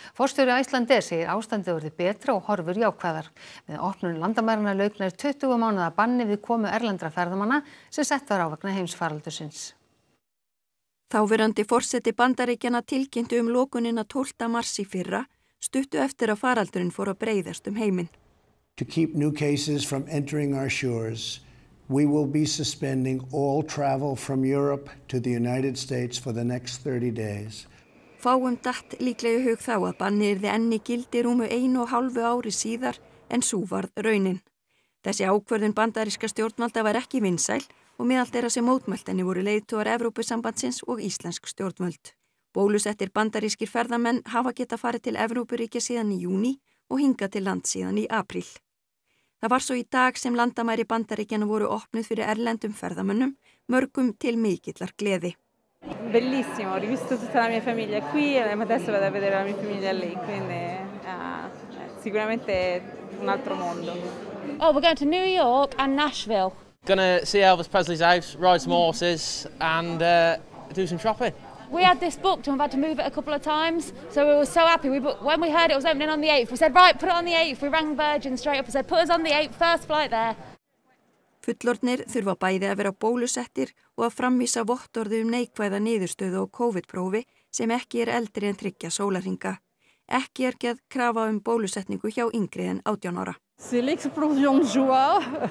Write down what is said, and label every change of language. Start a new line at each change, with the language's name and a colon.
Icelandic: Forstjóri Icelandair segir ástandið orðið betra og horfur jákvæðar. Með opnun landamæranna lauk nær 20 mánaða banni við komu erlendra ferðamanna sem sett var á vegna heimsfaraldursins. Þáverandi forseti Bandaríkjanna tilkynnti lokunina 12. mars í fyrra, stuttu eftir að faraldurinn fór að breiðast heiminn.
English: To keep new cases from entering our shores. We will be suspending all travel from Europe to the United States for the next 30 days.
Icelandic: Fáum datt líklega hug þá að banni yrði enn í gildi rúmu 1.5 ári síðar en sú varð raunin. Þessi ákvörðun bandaríska stjórnvalda var ekki vinsæl og meðal þeirra sem mótmæltinni voru leiðtogar Evrópusambandsins og íslensk stjórnvöld. Bólusettir bandarískir ferðamenn hafa geta farið til Evrópuríkja síðan í júní og hinga til land síðan í apríl. Það var svo í dag sem landamæri Bandaríkjanna voru opnuð fyrir erlendum ferðamönnum, mörgum til mikillar gleði.
Italian: Bellissimo, ho rivisto tutta la mia famiglia qui e adesso vado a vedere la mia famiglia lì, quindi sicuramente un altro mondo.
English: Oh, we're going to New York and Nashville. Gonna see Elvis Presley's house, ride some horses and do some shopping. We had this booked and we've had to move it a couple of times, so we were so happy. When we heard it was opening on the 8th, we said, right, put it on the 8th. We rang Virgin straight up and said, put us on the 8th, first flight there.
Icelandic: Fullorðnir þurfa bæði að vera bólusettir og að framvísa vottorði neikvæða niðurstöðu og COVID-prófi sem ekki eldri en 3 sólarhringa. Ekki gerð krafa bólusetningu hjá yngri en 18 ára.
French: C'est l'explosion de joie.